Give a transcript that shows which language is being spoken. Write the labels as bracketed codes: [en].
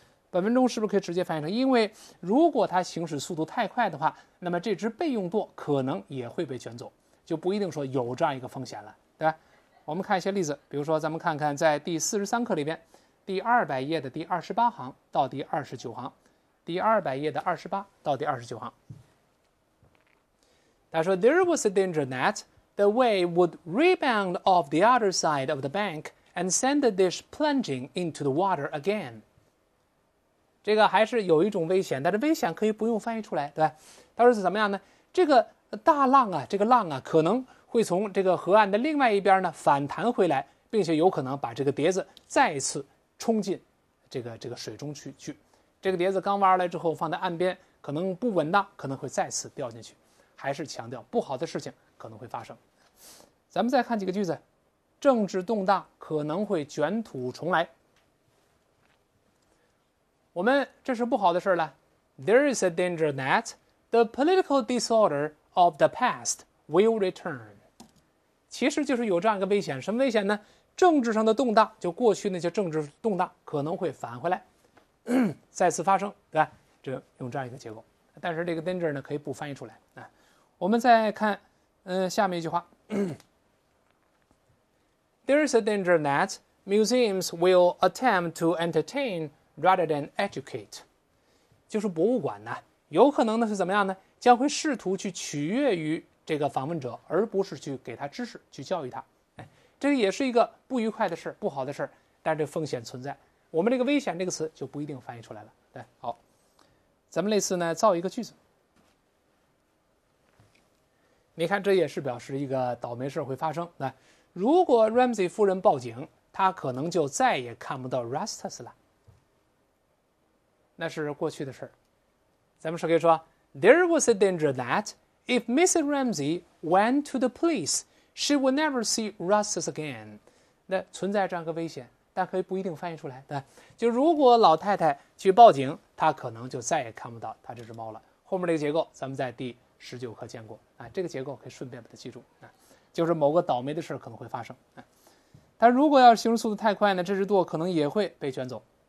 [zh] 本文中是不是可以直接翻译成，因为如果它行驶速度太快的话，那么这只备用舵可能也会被卷走，就不一定说有这样一个风险了，对吧？我们看一些例子，比如说咱们看看在第43课里边，第200页的第28行到第29行，第200页的28到第29行。他说 [en] There was a danger that,The wave would rebound off the other side of the bank and send the dish plunging into the water again. [zh] 这个还是有一种危险，但是危险可以不用翻译出来，对吧？他说是怎么样呢？这个大浪啊，这个浪啊，可能会从这个河岸的另外一边呢反弹回来，并且有可能把这个碟子再次冲进这个水中去。这个碟子刚挖出来之后放在岸边，可能不稳当，可能会再次掉进去。还是强调不好的事情可能会发生。咱们再看几个句子，政治动荡可能会卷土重来。我们这是不好的事了。 [en] There is a danger that the political disorder of the past will return. [zh] 其实就是有这样一个危险，什么危险呢？政治上的动荡，就过去那些政治动荡可能会返回来，再次发生，对吧？这用这样一个结构，但是这个 danger 呢，可以不翻译出来。我们再看。 [en] 下面一句话There is a danger that museums will attempt to entertain rather than educate. [zh] 就是博物馆呢、啊、有可能呢是怎么样呢？将会试图去取悦于这个访问者，而不是去给他知识，去教育他。哎，这也是一个不愉快的事，不好的事，但是这风险存在。我们这个危险这个词就不一定翻译出来了。对，好，咱们类似呢造一个句子。你看，这也是表示一个倒霉事会发生。来，如果 Ramsey 夫人报警，她可能就再也看不到 Rastus 了。那是过去的事。咱们是可以说 [en] ，There was a danger that if Mrs. Ramsey went to the police, she would never see Rastus again。 [zh] 那存在这样一个危险，但可以不一定翻译出来。对，就如果老太太去报警，她可能就再也看不到她这只猫了。后面这个结构，咱们在第19课见过啊，这个结构可以顺便把它记住啊，就是某个倒霉的事可能会发生啊。但如果要是行驶速度太快呢，这只舵可能也会被卷走。